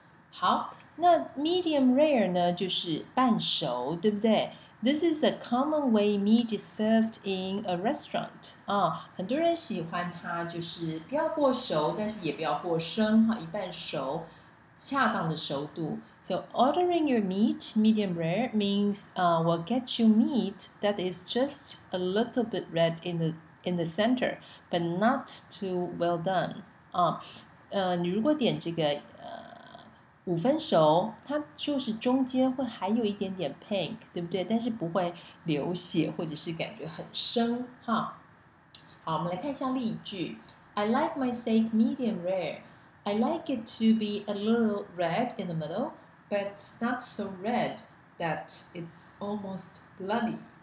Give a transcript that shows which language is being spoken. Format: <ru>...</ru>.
<zh>好，那 medium rare 呢，就是半熟，对不对 ？</zh> <en>This is a common way meat is served in a restaurant</en> <zh>啊，很多人喜欢它，就是不要过熟，但是也不要过生哈，一半熟，恰当的熟度。</zh> <en>So ordering your meat medium rare means we'll get you meat that is just a little bit red in the center, but not too well done.</en> <zh>你如果点这个五分熟，它就是中间会还有一点点 pink， 对不对？但是不会流血或者是感觉很生哈。好，我们来看一下例句。</zh> <en>I like my steak medium rare. I like it to be a little red in the middle, but not so red that it's almost bloody.</en>